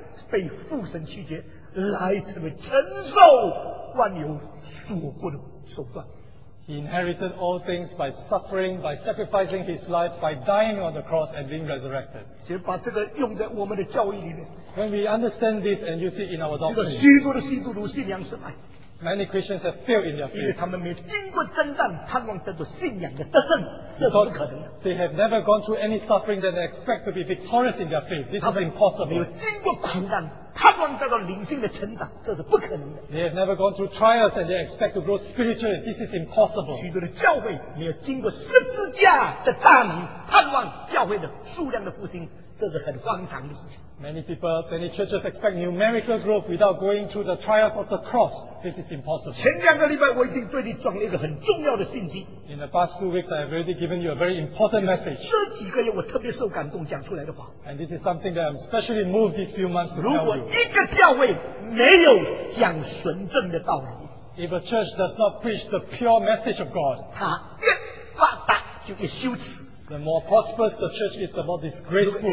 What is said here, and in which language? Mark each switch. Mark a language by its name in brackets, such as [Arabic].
[Chinese] 他是透过牺牲自己,流出宝血,被钉十字架,被父神弃绝, 来成为承受万有所过的手段。 [English] He inherited all things by suffering, by sacrificing his life, by dying on the cross and being resurrected. [Chinese] 把这个用在我们的教义里面, [English] when we understand this and use it in our doctrine, [Chinese] 这个虚弱的信徒如信仰失败, [English] many Christians have failed in their faith. [Chinese] 因为他们没经过征战, 盼望得到信仰的得胜, 这是不可能的。 [English] They have never gone through any suffering that they expect to be victorious in their faith. This is impossible. [Chinese] 没有经过苦难, 盼望得到灵性的成长, 这是不可能的。 [English] They have never gone through trials and they expect to grow spiritually. This is impossible. [Chinese] 许多的教会没有经过十字架的大能, 盼望教会的数量的复兴, 这是很荒唐的事情。 [English] Many churches expect numerical growth without going through the trials of the cross. This is impossible. [Chinese] 前两个礼拜我已经对你转了一个很重要的信息。 [English] In the past 2 weeks, I have already given you a very important message. [Chinese] 这几个月我特别受感动讲出来的话。 [English] And this is something that I'm especially moved these few months to tell you. [Chinese] 如果一个教会没有讲纯正的道理, [English] if a church does not preach the pure message of God, [Chinese] 它越发达就越羞耻。 [English] The more prosperous the church is, the more disgraceful